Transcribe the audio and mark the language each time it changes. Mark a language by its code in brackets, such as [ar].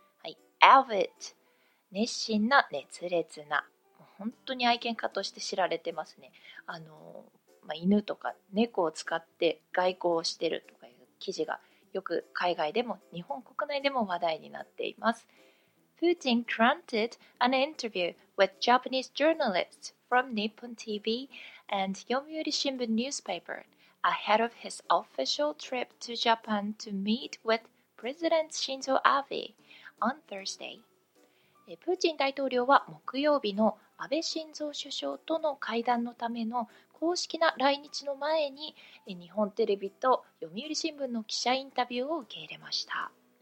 [ja] はい、avid、熱心な、熱烈な。もう本当に愛犬家として知られてますね。まあ、犬とか猫を使って外交をしてるとかいう記事がよく海外でも日本国内でも話題になっています。 [en] Putin granted an interview with Japanese journalists from Nippon TV and Yomiuri Shimbun newspaper ahead of his official trip to Japan to meet with President Shinzo Abe on Thursday. [ja] プーチン大統領は木曜日の安倍晋三首相との会談のための公式な来日の前に日本テレビと読売新聞の記者インタビューを受け入れました。